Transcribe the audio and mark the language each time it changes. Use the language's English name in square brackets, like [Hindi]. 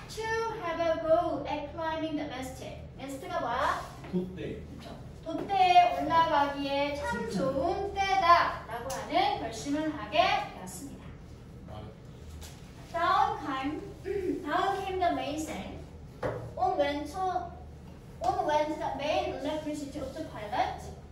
[English] To have a go at climbing the mast. [Korean] Mast가 뭐야? 돛대. 그렇죠. 돛대에 올라가기에 참 좋은 때다 라고 하는 결심을 하게 되었습니다. [English] 다음 came the main sail. On went the main electricity of the pilot.